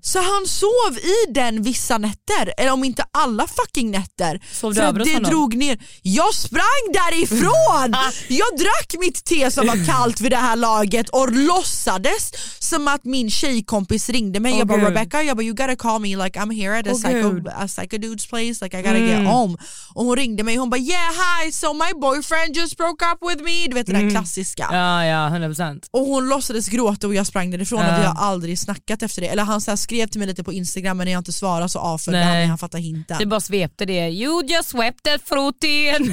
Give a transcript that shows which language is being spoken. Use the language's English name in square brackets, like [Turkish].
[Swedish] Så han sov i den vissa nätter. Eller om inte alla fucking nätter. Sov du över det honom? Drog ner. Jag sprang därifrån! Jag drack mitt te som var kallt vid det här laget. Och låtsades som att min tjejkompis ringde mig. Jag bara, [English] Rebecca, [Swedish] jag bara, [English] you gotta call me. Like, I'm here at a psycho dude's place. Like, I gotta get home. [Swedish] Och hon ringde mig. Hon bara, [English] yeah, hi. So my boyfriend just broke up with me. [Swedish] Du vet, den där klassiska. Ja, 100%. Och hon låtsades gråta och jag sprang därifrån. Och vi har aldrig snackat letade efter det. Eller han så skrev till mig lite på Instagram, men när jag inte svarade så avföljde han när han fattade hinten. Du bara svepte det. [English] You just swept that fruitin.